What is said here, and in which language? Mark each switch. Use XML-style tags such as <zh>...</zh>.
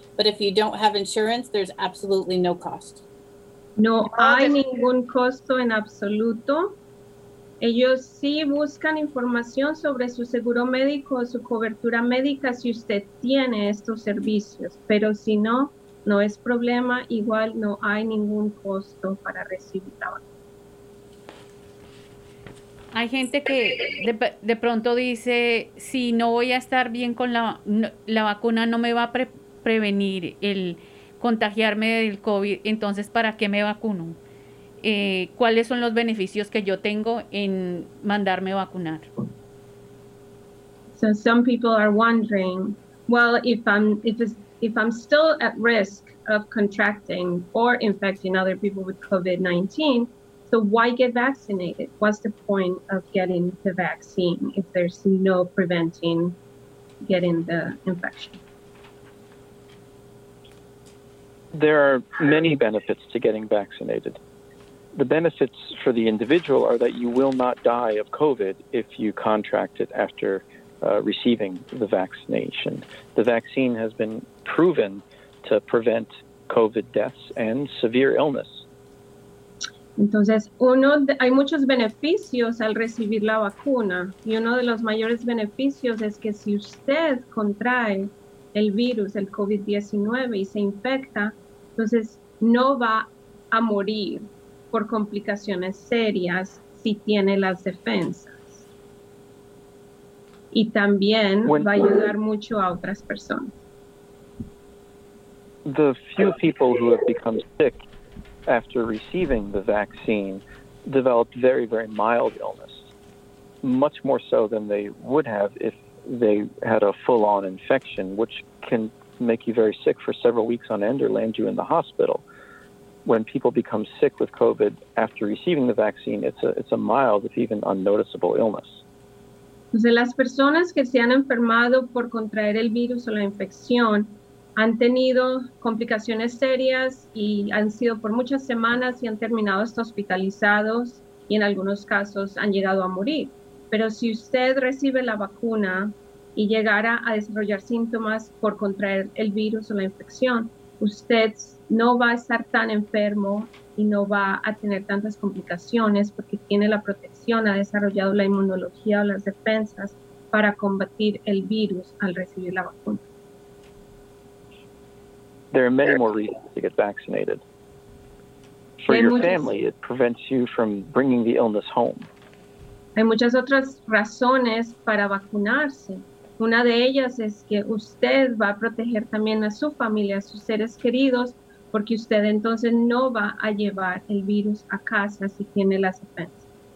<en>But if you don't have insurance, there's absolutely no cost.</en> <es>No hay ningún costo en absoluto. Ellos sí buscan información sobre su seguro médico o su cobertura médica si usted tiene estos servicios, pero si no, no es problema, igual no hay ningún costo para recibir la vacuna. Hay gente que de pronto dice, si sí, no voy a estar bien con la vacuna, no me va a prevenir el contagiarme del COVID, entonces ¿para qué me vacuno? ¿Cuáles son los beneficios que yo tengo en mandarme vacunar?</es> <en>So some people are wondering, well, if I'm still at risk of contracting or infecting other people with COVID-19, so why get vaccinated? What's the point of getting the vaccine if there's no preventing getting the infection? There are many benefits to getting vaccinated. The benefits for the individual are that you will not die of COVID if you contract it after receiving the vaccination. The vaccine has been proven to prevent COVID deaths and severe illness.</en> <es>Entonces, hay muchos beneficios al recibir la vacuna, y uno de los mayores beneficios es que si usted contrae el virus, el COVID-19, y se infecta, entonces no va a morir por complicaciones serias si tiene las defensas. Y también va a ayudar mucho a otras personas.</es> <en>The few people who have become sick after receiving the vaccine developed very, very mild illness, much more so than they would have if they had a full-on infection, which can make you very sick for several weeks on end or land you in the hospital. When people become sick with COVID after receiving the vaccine, it's a mild, if even unnoticeable, illness.</en> <es>Entonces, las personas que se han enfermado por contraer el virus o la infección han tenido complicaciones serias y han sido por muchas semanas y han terminado hasta hospitalizados y en algunos casos han llegado a morir. Pero si usted recibe la vacuna y llegara a desarrollar síntomas por contraer el virus o la infección, usted no va a estar tan enfermo y no va a tener tantas complicaciones porque tiene la protección, ha desarrollado la inmunología o las defensas para combatir el virus al recibir la vacuna.</es> <en>There are many more reasons to get vaccinated. For your family, it prevents you from bringing the illness home.</en> <es>Hay muchas otras razones para vacunarse. Una de ellas es que usted va a proteger también a su familia, a sus seres queridos, porque usted entonces no va a llevar el virus a casa si tiene las defensas.</es>